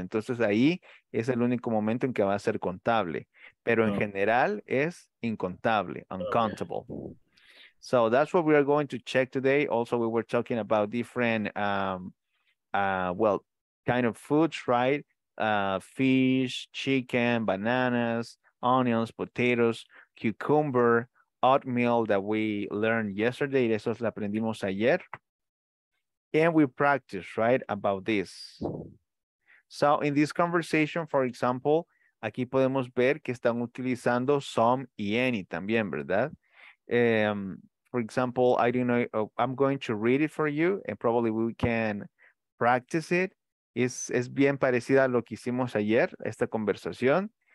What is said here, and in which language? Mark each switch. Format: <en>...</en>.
<es>Entonces ahí es el único momento en que va a ser contable. Pero en general es incontable, uncountable.</es> <en>Okay. So that's what we are going to check today. Also, we were talking about different, kind of foods, right? Fish, chicken, bananas, onions, potatoes, cucumber, oatmeal that we learned yesterday.</en> <es>Eso lo aprendimos ayer.</es> <en>And we practice, right, about this. So in this conversation, for example,</en> <es>aquí podemos ver que están utilizando some y any también, ¿verdad?</es> <en>For example, I don't know, I'm going to read it for you and probably we can practice it.</en> <es>Es bien parecida a lo que hicimos ayer, esta conversación.</es>